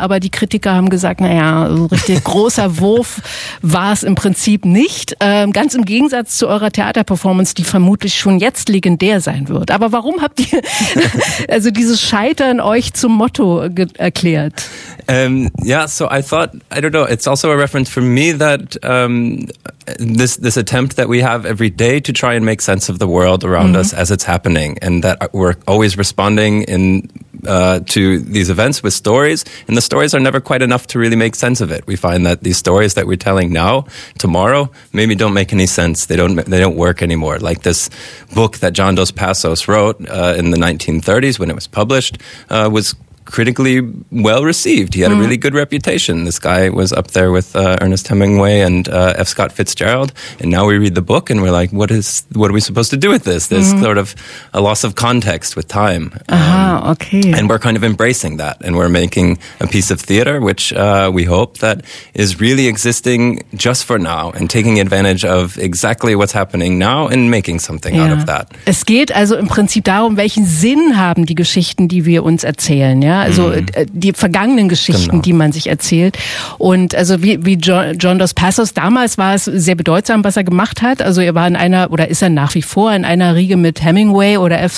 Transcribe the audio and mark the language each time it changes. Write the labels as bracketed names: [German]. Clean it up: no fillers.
[German] Aber die Kritiker haben gesagt, naja, so richtig großer Wurf war es im Prinzip nicht. Ganz im Gegensatz zu eurer Theaterperformance, die vermutlich schon jetzt legendär sein wird. Aber warum habt ihr also dieses Scheitern euch zum Motto erklärt? [English] So I thought, I don't know, it's also a reference for me that this attempt that we have every day to try and make sense of the world around mm-hmm. us as it's happening, and that we're always responding in to these events with stories, and the stories are never quite enough to really make sense of it. We find that these stories that we're telling now, tomorrow, maybe don't make any sense. They don't work anymore. Like this book that John Dos Passos wrote in the 1930s when it was published was critically well received. He had a really good reputation. This guy was up there with Ernest Hemingway and F. Scott Fitzgerald. And now we read the book and we're like, what are we supposed to do with this? There's sort of a loss of context with time. And we're kind of embracing that. And we're making a piece of theater, which we hope that is really existing just for now and taking advantage of exactly what's happening now and making something out of that. [German] Es geht also im Prinzip darum, welchen Sinn haben die Geschichten, die wir uns erzählen. Ja, also die vergangenen Geschichten, genau. die man sich erzählt. Und also wie John Dos Passos, damals war es sehr bedeutsam, was er gemacht hat. Also er war in einer, oder ist er nach wie vor in einer Riege mit Hemingway oder F.